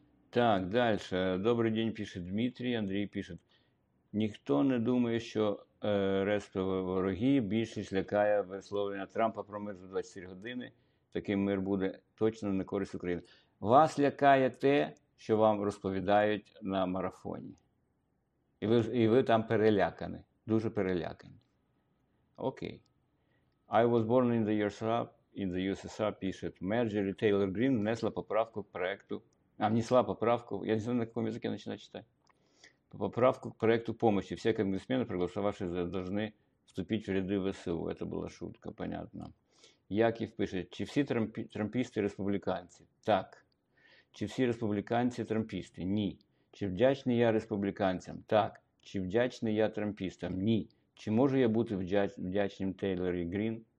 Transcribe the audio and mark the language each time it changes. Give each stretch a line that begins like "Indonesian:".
Ukrainian: Так, далі. Добрий день, пише Дмитрій. Андрій пише: ніхто не думає, що решта ворогі більшість лякає висловлення Трампа про мир за 24 години. Такий мир буде точно на користь України. Вас лякає те, що вам розповідають на марафоні. І ви там перелякані, дуже перелякані. Окей.
English: I was born in the USA,
Ukrainian: пише Marjorie Taylor Greene, внесла поправку проекту, я не знаю, на якому язикі починаю читати.
Russian: Поправку к проекту помощи. Все конгрессмены, проголосовавшие, должны вступить в ряды ВСУ. Это была шутка, понятно.
Ukrainian: Яків пише: чи всі трампісти республіканці? Так. Чи всі республіканці трампісти? Ні. Чи вдячний я республіканцям? Так. Чи вдячний я трампістам? Ні. Чи можу я бути вдячним Тейлорі Грін?